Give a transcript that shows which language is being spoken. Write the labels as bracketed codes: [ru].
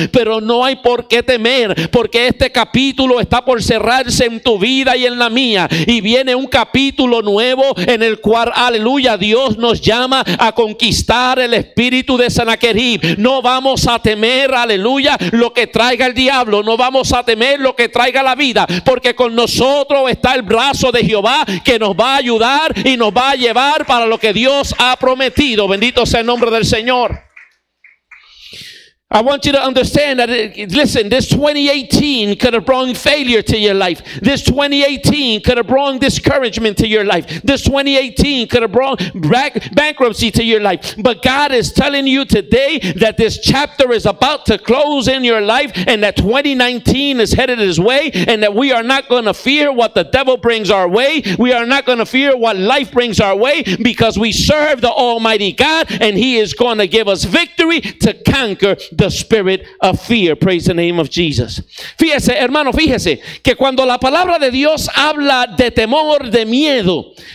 [es] pero no hay por qué temer, porque este capítulo está por cerrarse en tu vida y en la mía, y viene un capítulo nuevo en el cual, aleluya, Dios nos llama a conquistar el espíritu de Sennacherib. No vamos a temer, aleluya, lo que traiga el diablo, no vamos a temer lo que traiga la vida, porque con nosotros está el brazo de Jehová que nos va a ayudar y nos va a llevar para lo que Dios ha prometido. Bendito sea el nombre del Señor. [en] I want you to understand that, listen, this 2018 could have brought failure to your life. This 2018 could have brought discouragement to your life. This 2018 could have brought bankruptcy to your life. But God is telling you today that this chapter is about to close in your life, and that 2019 is headed his way, and that we are not going to fear what the devil brings our way. We are not going to fear what life brings our way, because we serve the Almighty God, and he is going to give us victory to conquer the spirit of fear, praise the name of Jesus. [es] Fíjese, hermano, fíjese que cuando la palabra de Dios habla de temor, de miedo,